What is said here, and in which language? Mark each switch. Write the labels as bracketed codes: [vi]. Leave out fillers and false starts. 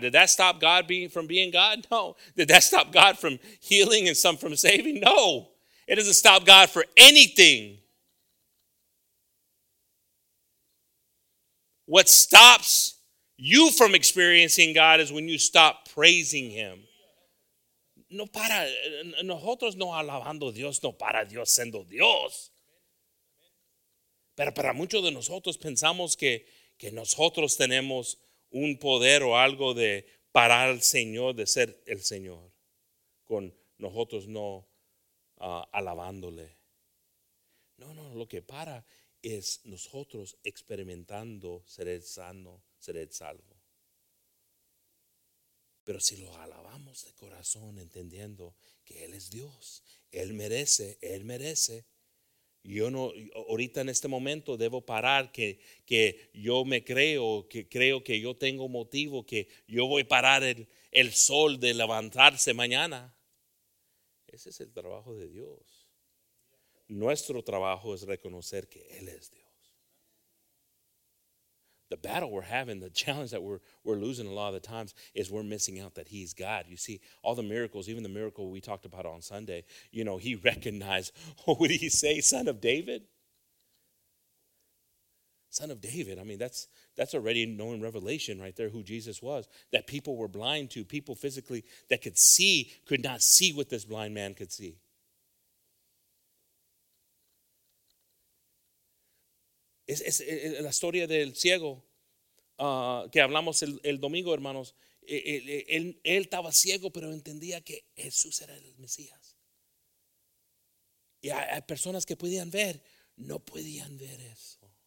[en] Did that stop God from being God? No. Did that stop God from healing and some from saving? No. It doesn't stop God for anything. What stops you from experiencing God is when you stop praising him. [es] No para, nosotros no alabando Dios, no para Dios siendo Dios. Pero para muchos de nosotros pensamos que nosotros tenemos un poder o algo de parar al Señor, de ser el Señor, con nosotros no alabándole. No, no, lo que para es nosotros experimentando ser el sano, ser el salvo. Pero si lo alabamos de corazón, entendiendo que Él es Dios, Él merece. Yo no, ahorita en este momento debo parar que yo me creo, que creo que yo tengo motivo, que yo voy a parar el sol de levantarse mañana. Ese es el trabajo de Dios. Nuestro trabajo es reconocer que Él es Dios. [en] The battle we're having, the challenge that we're losing a lot of the times is we're missing out that He's God. You see, all the miracles, even the miracle we talked about on Sunday, you know, he recognized, what did he say, son of David? Son of David, I mean, that's already known revelation right there who Jesus was, that people were blind to, people physically that could see, could not see what this blind man could see. [es] Es la historia del ciego que hablamos el domingo, hermanos, él estaba ciego, pero entendía que Jesús era el Mesías. Y hay personas que podían ver, no podían ver eso.